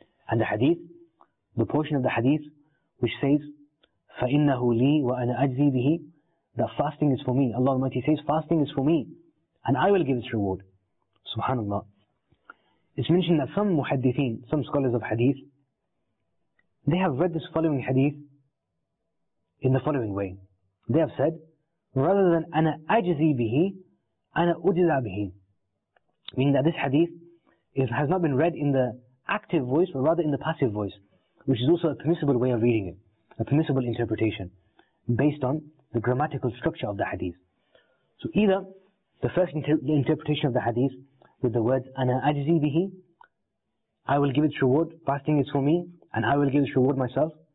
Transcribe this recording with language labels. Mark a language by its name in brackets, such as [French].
[English] And the hadith, the portion of the hadith which says, [Arabic] فَإِنَّهُ لِي وَأَنَا أَجْزِي بِهِ, [English] that fasting is for me. Allah Almighty says, fasting is for me, and I will give its reward. Subhanallah. It's mentioned that some muhaddithin, some scholars of hadith, they have read this following hadith in the following way. They have said, rather than [Arabic] أَنَا أَجْزِي بِهِ, أَنَا أُجْزَى بِهِ. [English] Meaning that this hadith has not been read in the active voice, but rather in the passive voice, which is also a permissible way of reading it, a permissible interpretation based on the grammatical structure of the hadith. So either the first interpretation of the hadith with the words [Arabic] أَنَا أَجْزِي بِهِ, [English] I will give its reward, fasting is for me, and I will give its reward myself.